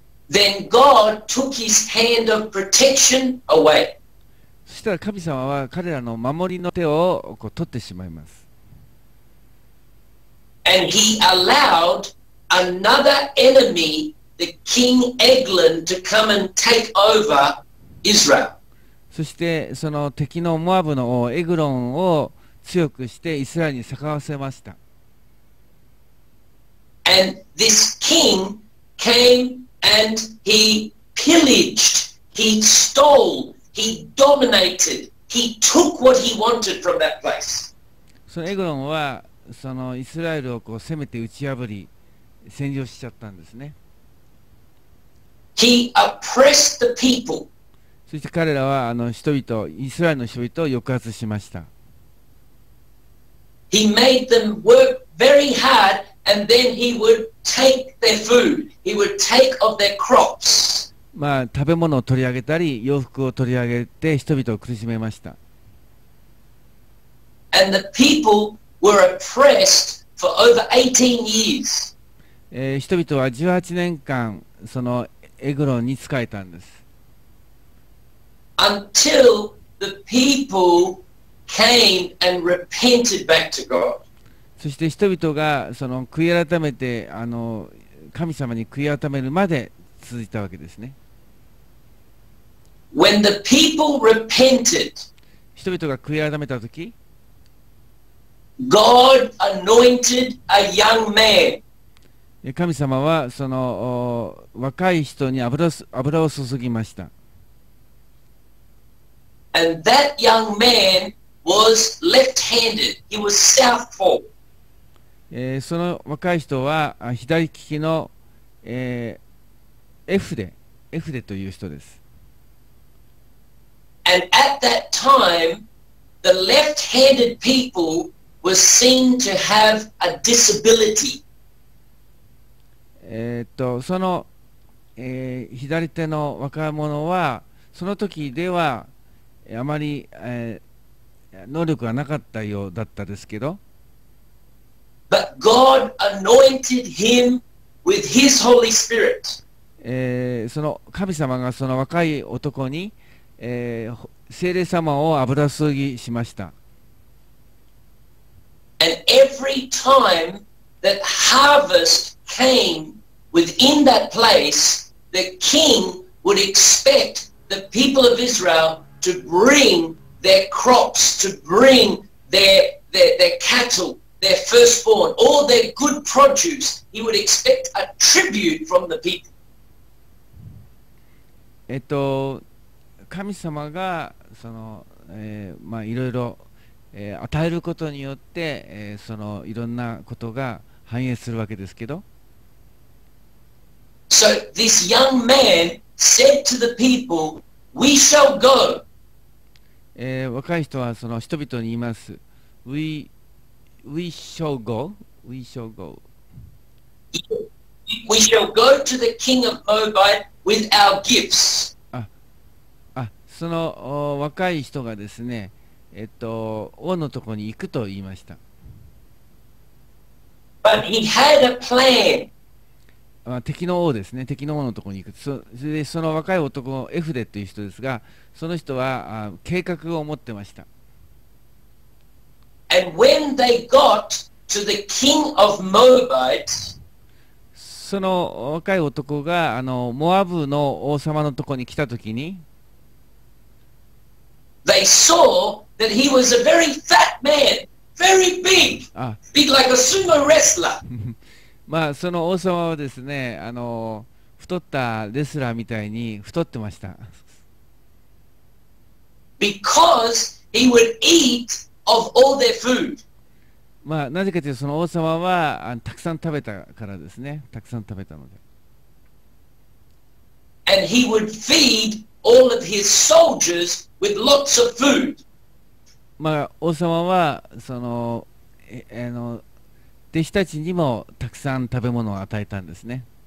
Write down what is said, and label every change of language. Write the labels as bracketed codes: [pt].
[en] then God took his hand of protection away. [ja] そしたら神様は彼らの守りの手をこう取ってしまいます。 [en] And he allowed another enemy, the King Eglon, to come and take over Israel. [ja] そしてその敵のモアブの王エグロンを強くしてイスラエルに逆わせました。 [en] And this king came and he pillaged, he stole, he dominated, he took what he wanted from that place. [ja] そのエグロンはそのイスラエルをこう攻めて打ち破り占領しちゃったんですね。 [en] He oppressed the people. [ja] そして彼らはあの人々、イスラエルの人々を抑圧しました。 [en] He made them work very hard, and then he would take their food. He would take of their crops. [ja] まあ、食べ物を取り上げたり、洋服を取り上げて人々を苦しめました。 [en] And the people were oppressed for over 18 years. [ja] 人々は18年間、そのエグロンに仕えたんです。 [en] Until the people came and repented back to God. [ja] そして人々がその悔い改めて、神様に悔い改めるまで続いたわけですね。 [en] When the people repented, [ja] 人々が悔い改めたとき、 [en] God anointed a young man. [ja] 神様はその若い人に油を注ぎました。 [en] And that young man was left-handed. He was southpaw. [ja] その若い人は左利きの、エフレという人です。 [en] And at that time, the left-handed people were seen to have a disability. [ja] その、左手の若者は、その時ではあまり、能力がなかったようだったですけど。 [en] But God anointed him with his Holy Spirit. [ja] その神様がその若い男に、聖霊様を油注ぎしました。 [en] And every time that harvest came within that place, the king would expect the people of Israel to bring their crops, to bring their cattle, their firstborn, all their good produce. He would expect a tribute from the people. [ja] 神様がその、まあ、いろいろ、与えることによって、そのいろんなことが反映するわけですけど。 [en] So this young man said to the people, "We shall go." [ja] 若い人はその人々に言います。 [en] We shall go. We shall go. We shall go to the king of Moabite with our gifts. [ja] その若い人がですね、王のところに行くと言いました。 [en] But he had a plan. [ja] 敵の王ですね、敵の王のところに行く。その若い男、エフレという人ですが、その人は計画を持ってました。 [en] And when they got to the king of Moabite, [ja] その若い男がモアブの王様のところに来たときに、 [en] They saw that he was a very fat man, very big, big like a sumo wrestler. [ja] まあその王様はですね、太ったレスラーみたいに太ってました。 [en] Because he would eat of all their food. [ja] まあなぜかというとその王様はたくさん食べたからですね、たくさん食べたので。 [en] And he would feed all of his soldiers. With lots of food. [ja] まあ、王様はその弟子たちにもたくさん食べ物を与えたんですね。